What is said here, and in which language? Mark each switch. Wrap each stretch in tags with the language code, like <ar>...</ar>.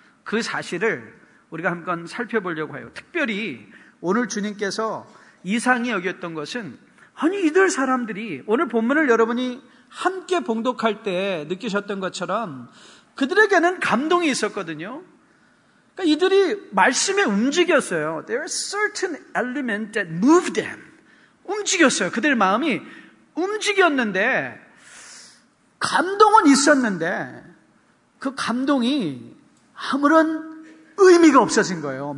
<ko>그 사실을 우리가 한번 살펴보려고 해요. 특별히 오늘 주님께서 이상히 여겼던 것은 아니 이들 사람들이 오늘 본문을 여러분이 함께 봉독할 때 느끼셨던 것처럼 그들에게는 감동이 있었거든요. 그러니까 이들이 말씀에 움직였어요.</ko> <en>There is certain element that moved them.</en> <ko>움직였어요. 그들 마음이 움직였는데 감동은 있었는데 그 감동이 아무런 의미가 없어진 거예요.</ko>